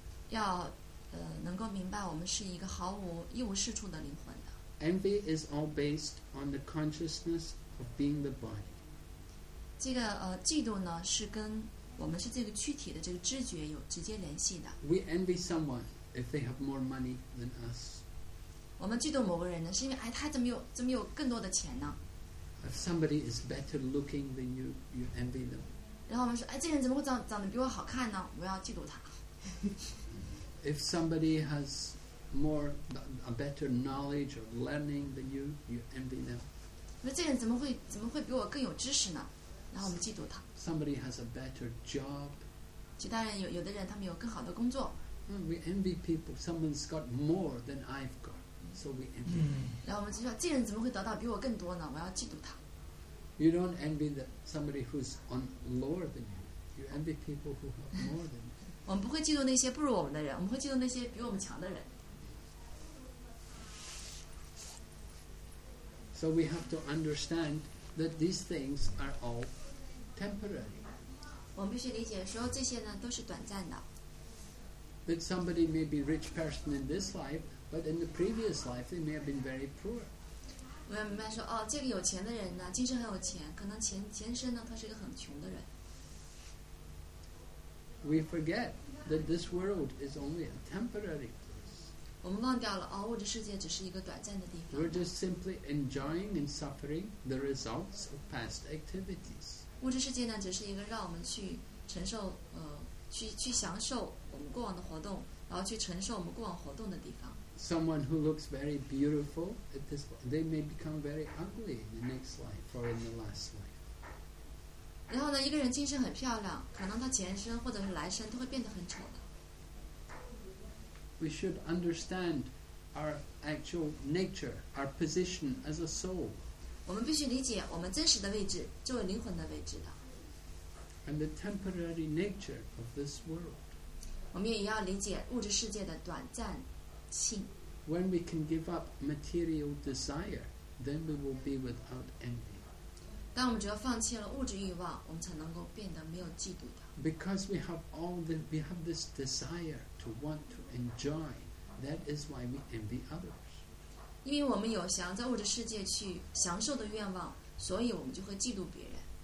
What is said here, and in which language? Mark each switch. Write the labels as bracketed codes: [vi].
[zh] 要能够明白我们是一个毫无一无是处的灵魂的。 [en] Envy is all based on the consciousness of being the body. [zh] 这个嫉妒呢是跟我们是这个躯体的这个知觉有直接联系的。 [en] We envy someone if they have more money than us. [zh] 我们嫉妒某个人呢是因为哎他怎么有更多的钱呢。 [en] If somebody is better looking than you, you envy them. [zh] 然后我们说哎这人怎么会长得比我好看呢我要嫉妒他。 [en] If somebody has more a better knowledge or learning than you, you envy them. [zh] 那这人怎么会比我更有知识呢？然后我们嫉妒他。 [en] Somebody has a better job. [zh] 其他人有的人他们有更好的工作。 [en] We envy people. Someone's got more than I've got, so we envy. [zh] 然后我们就说这人怎么会得到比我更多呢？我要嫉妒他。 [en] You don't envy somebody who's on lower than you. You envy people who have more than. [zh] 我们不会嫉妒那些不如我们的人，我们会嫉妒那些比我们强的人。 [en] So we have to understand that these things are all temporary. [zh] 我们必须理解说这些呢都是短暂的。 [en] That somebody may be rich person in this life, but in the previous life they may have been very poor. [zh] 我要明白说哦，这个有钱的人呢，今生很有钱，可能前身呢他是一个很穷的人。 [en] We forget that this world is only a temporary. [zh] 我们忘掉了哦，物质世界只是一个短暂的地方。 [en] We're just simply enjoying and suffering the results of past activities. [zh] 物质世界呢，只是一个让我们去承受，去享受我们过往的活动，然后去承受我们过往活动的地方。 [en] Someone who looks very beautiful at this, they may become very ugly in the next life or in the last life. [zh] 然后呢，一个人今生很漂亮，可能他前生或者是来生都会变得很丑的。 [en] We should understand our actual nature, our position as a soul. [zh] 我们必须理解我们真实的位置，作为灵魂的位置的。 [en] And the temporary nature of this world. [zh] 我们也要理解物质世界的短暂性。 [en] When we can give up material desire, then we will be without envy. [zh] 当我们只要放弃了物质欲望，我们才能够变得没有嫉妒的。 [en] Because we have this desire to want to enjoy, that is why we envy others. [zh] 因为我们有想在物质世界去享受的愿望，所以我们就会嫉妒别人。